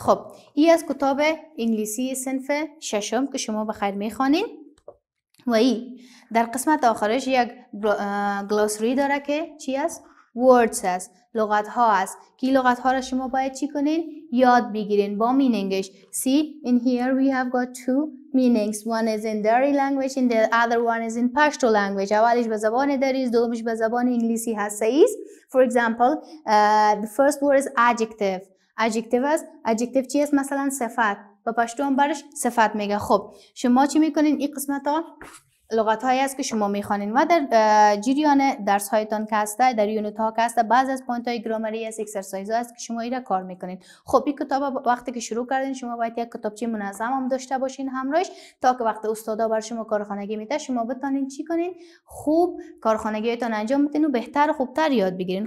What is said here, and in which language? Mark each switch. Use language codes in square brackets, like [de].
[fa] خب ای از کتاب انگلیسی صنف ششم که شما بخیر میخوانین. و ای در قسمت آخرش یک گلوسری داره که چی است؟ words است، لغت ها است. کی لغت ها را شما باید چی کنین؟ یاد بگیرین با مینینگش. [en] see in here we have got two meanings. one is in Dari language and the other one is in Pashto language. [fa] اولش به زبان دری است، دومش به زبان انگلیسی هست. [en] says for example the first word is adjective. [fa] adjective است. adjective چی است؟ مثلا صفت. با پشتو هم برش صفت میگه. خب شما چی میکنین؟ این قسمت ها لغت هایی است که شما میخوانین و در جریان درس هایتان که هسته، در یونت ها که هسته، بعض از پوینت های گرامری است، اکسرسایز هست که شما ایره کار میکنین. خب این کتاب وقتی که شروع کردین شما باید یک کتابچه منظم هم داشته باشین همراهش تا که وقتی استادا بر شما کارخانگی میده شما بتانین چی کنین؟ خوب کارخانگی هایتان انجام بدین و بهتر و خوبتر یاد بگیرین.